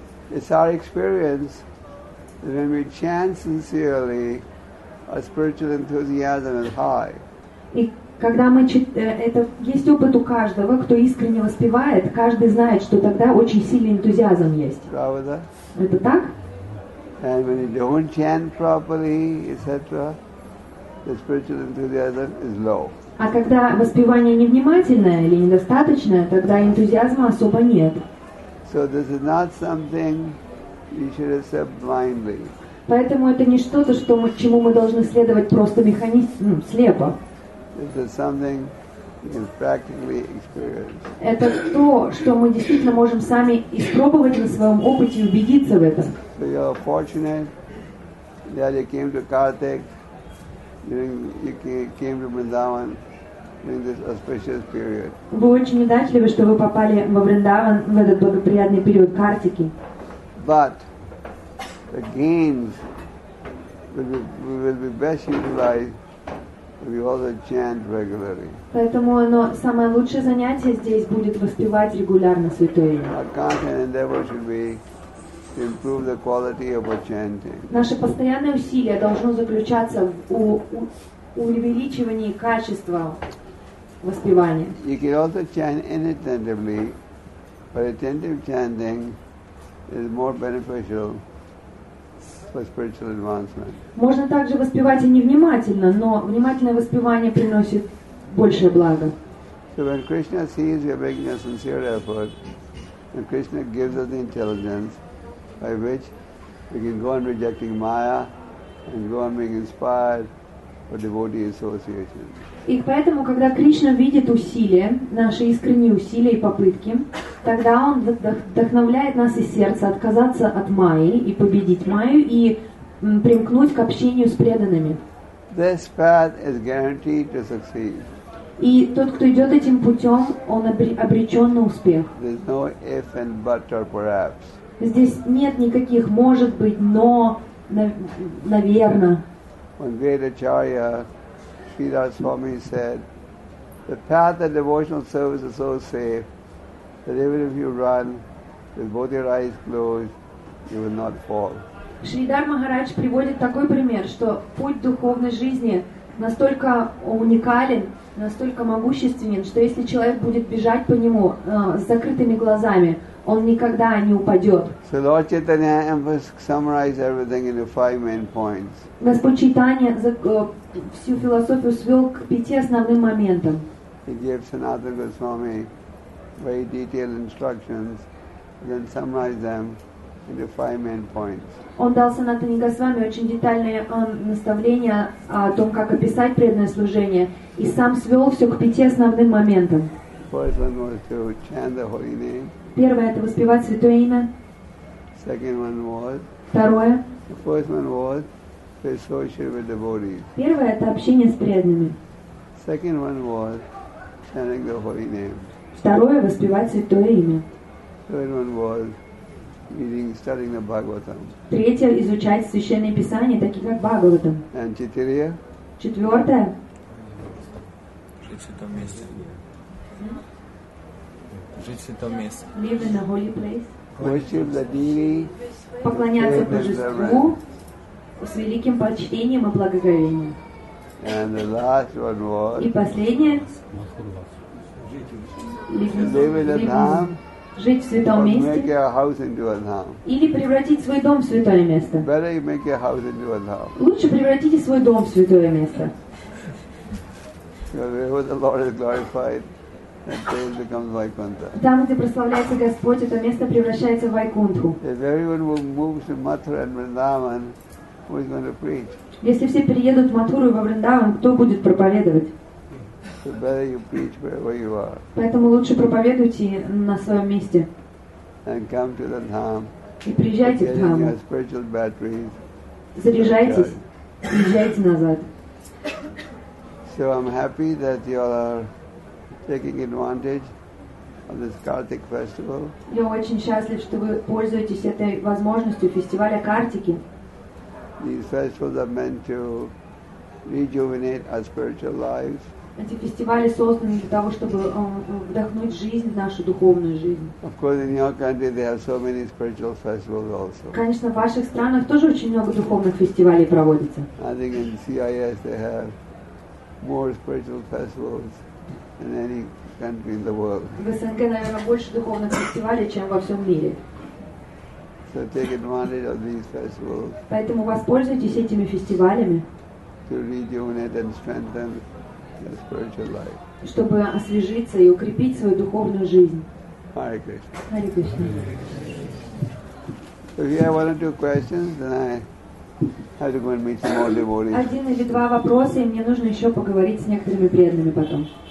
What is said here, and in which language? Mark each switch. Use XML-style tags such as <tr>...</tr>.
<en>It's our experience that when we chant sincerely, our spiritual enthusiasm is high.</en> <ru>И когда мы это есть опыт у каждого, кто искренне воспевает, каждый знает, что тогда очень сильный энтузиазм есть. Правда? Это так?</ru> <en>And when you don't chant properly, etc., the spiritual enthusiasm is low.</en> <ru>А когда воспевание невнимательное или недостаточное, тогда энтузиазма особо нет.</ru> <en>So this is not something you should accept blindly.</en> <ru>Поэтому это не что-то, чему мы должны следовать просто механически, слепо.</ru> <en>This is something you can practically experience.</en> <ru>Это то, что мы действительно можем сами испробовать на своем опыте и убедиться в этом.</ru> <en>So you're fortunate that you came to Kartik. You came to Vrindavan during this auspicious period.</en> <ru>Вы очень удачливы, что вы попали во Вриндаван в этот благоприятный период Картики.</ru> <en>But the gains will be best utilized if we also chant regularly.</en> <ru>Поэтому оно самое лучшее занятие здесь будет воспевать регулярно святое имя.</ru> <en>Our constant endeavor should be improve the quality of our chanting.</en> <ru>Наше постоянное усилие должно заключаться в увеличивании качества воспевания.</ru> <en>You can also chant inattentively, but attentive chanting is more beneficial for spiritual advancement.</en> <ru>Можно также воспевать и невнимательно, но внимательное воспевание приносит большее благо.</ru> <en>So when Krishna sees we are making a sincere effort, and Krishna gives us the intelligence by which we can go on rejecting Maya and go on being inspired for devotee association.</en> <ru>И поэтому, когда Кришна видит усилия, наши искренние усилия и попытки, тогда он вдохновляет нас из сердца отказаться от Майи и победить Майю и примкнуть к общению с преданными.</ru> <en>This path is guaranteed to succeed.</en> <ru>И тот, кто идет этим путем, он обречен на успех.</ru> <en>There's no if and but or perhaps.</en> <ru>Здесь нет никаких «может быть», «но», «наверное».</ru> <en>One great acharya, Sridhar Swami, said, the path of devotional service is so safe that even if you run with both your eyes closed, you will not fall.</en> <ru>Шридхар Махарадж приводит такой пример, что путь духовной жизни настолько уникален, настолько могущественен, что если человек будет бежать по нему с закрытыми глазами, он никогда не упадет.</ru> <en>So Lord Chaitanya summarized everything into 5 main points.</en> <ru>Господь Чайтанья всю философию свел к 5 основным моментам.</ru> <en>He gave Sanatana Goswami very detailed instructions, and then summarized them into five main points.</en> <ru>Он дал Санатане Госвами очень детальное наставление о том, как описать преданное служение, и сам свел все к пяти основным моментам.</ru> <en>First one was to chant the holy name.</en> <ru>Первое — это воспевать святое имя.</ru> <en>Second one was.</en> <ru>Второе.</ru> <en>The first one was to associate with devotees.</en> <ru>Первое — это общение с преданными.</ru> <en>Second one was chanting the holy name.</en> <ru>Второе — воспевать святое имя.</ru> <en>Third one was reading, studying the Bhagavatam.</en> <ru>Третье — изучать священные писания, такие как Бхагаватам.</ru> <en>And</en> <ru>четыре. Четвертое. Жить в святом месте. Жить в святом месте.</ru> <en>Live in a holy place. Worship the deity.</en> <ru>Поклоняться божеству с великим почтением и благоговением.</ru> <en>And the last one was.</en> <ru>И последнее.</ru> <en>Live in a dham.</en> <ru>Жить в святом месте.</ru> <en>Make your house into a dham.</en> <ru>Или превратить свой дом в святое место.</ru> <en>Better you make your house into a dham.</en> <ru>Лучше превратите свой дом в святое место.</ru> <en>Because where the Lord is glorified, that place becomes Vaikuntha.</en> <ru>Там, где прославляется Господь, это место превращается в Вайкунту.</ru> <en>If everyone will move to Mathura and Vrindavan, who is going to preach?</en> <ru>Если все приедут в Матхуру и во Вриндаван, кто будет проповедовать?</ru> <en>The better you preach wherever you are.</en> <ru>Поэтому лучше проповедуйте на своем месте.</ru> <en>And come to the dham.</en> <ru>И приезжайте в дхаму.</ru> <en>Your spiritual batteries.</en> <ru>Заряжайтесь. Приезжайте назад.</ru> <en>So I'm happy that you all are taking advantage of this Kartik festival.</en> <ru>Я очень счастлив, что вы пользуетесь этой возможностью фестиваля Картики.</ru> <en>These festivals are meant to rejuvenate our spiritual lives.</en> <ru>Эти фестивали созданы для того, чтобы вдохнуть жизнь в нашу духовную жизнь.</ru> <en>Of course, in your country there are so many spiritual festivals also.</en> <ru>Конечно, в ваших странах тоже очень много духовных фестивалей проводится.</ru> <en>I think in CIS they have more spiritual festivals than any country in the world.</en> <ru>В СНГ, наверное, больше духовных фестивалей, чем во всем мире.</ru> <en>So take advantage of these festivals.</en> <ru>Поэтому воспользуйтесь этими фестивалями.</ru> <en>To rejuvenate and strengthen. Your spiritual life.</en> <ru>Чтобы освежиться и укрепить свою духовную жизнь.</ru> <en>Hare Krishna. Hare Krishna. If you have one or two questions, then I have to go and meet some more devotees.</en> <ru>Один или два вопроса, и мне нужно еще поговорить с некоторыми преданными потом.</ru>